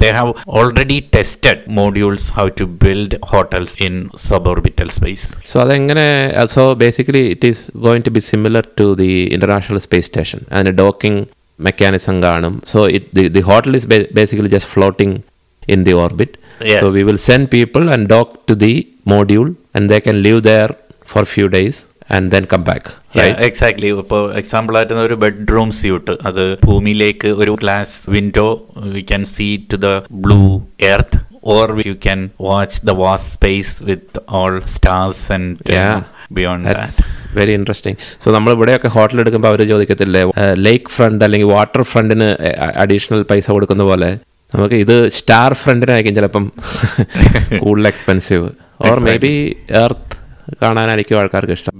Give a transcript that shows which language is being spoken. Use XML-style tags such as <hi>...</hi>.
<en>They have already tested modules how to build hotels in suborbital space.</en> <ml>So അതെങ്ങനെ?</ml> <en>So basically it is going to be similar to the international space station.</en> <ml>അതിന് docking mechanism കാണും.</ml> <en>So it the hotel is basically just floating in the orbit. So we will send people and dock to the module, and they can live there for a few days and then come back. Exactly</en> <ml>ഇപ്പോൾ example ആയിട്ട് ഒരു bedroom suit, അത് ഭൂമിയിലേക്ക് ഒരു glass window,</ml> <en>You can see to the blue earth, or you can watch the vast space with all stars and beyond that. Very interesting.</en> <ml>So നമ്മൾ ഇവിടെയൊക്കെ hotel എടുക്കുമ്പോൾ അവർ ചോദിക്കത്തില്ലേ ലേക്ക് front അല്ലെങ്കിൽ വാട്ടർ ഫ്രണ്ടിന് അഡീഷണൽ പൈസ കൊടുക്കുന്ന പോലെ, നമുക്ക് ഇത് സ്റ്റാർ ഫ്രണ്ടിനായിരിക്കും ചിലപ്പം കൂടുതൽ expensive,</ml> <en>or maybe</en> <ml>earth കാണാനായിരിക്കും ആൾക്കാർക്ക് ഇഷ്ടം.</ml>